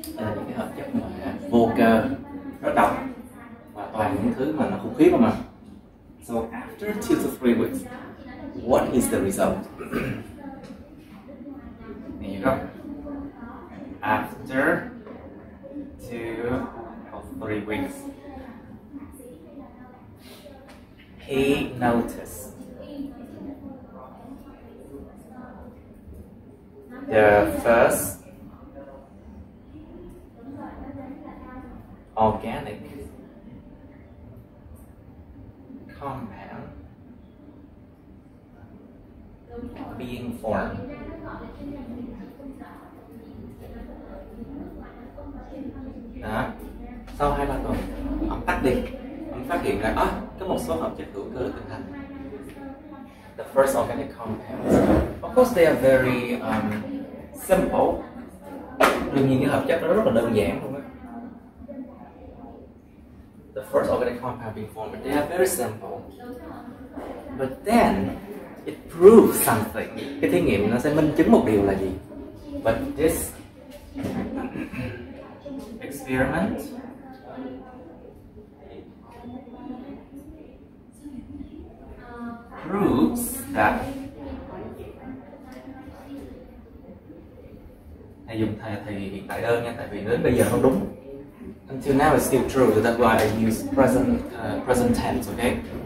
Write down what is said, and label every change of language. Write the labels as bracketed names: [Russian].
[Vietnamese] Đây là những cái hợp chất mà vô cơ, rất độc và toàn những thứ mà nó không khí mà. [English] So after 2 to 3 weeks, what is the result? There you go. After 2 or 3 weeks, he noticed the first organic compound being formed. [Vietnamese] Đó. Sau 2-3 tuần, ông tắt đi. Ông phát hiện ra, có một số hợp chất hữu cơ được hình thành. [English] The first organic compounds. Of course, they are very simple. [Vietnamese] Đương nhiên cái hợp chất nó rất là đơn giản luôn á. [English] The first organic compound being formed, but they are very simple. But then it proves something. [Vietnamese] Cái thí nghiệm nó sẽ minh chứng một điều là gì? [English] But this experiment proves that. [Vietnamese] Hay dùng thầy hiện tại đơn nha, tại vì đến bây giờ không đúng. [English] Until now it's still true, so that's why I use present tense, okay?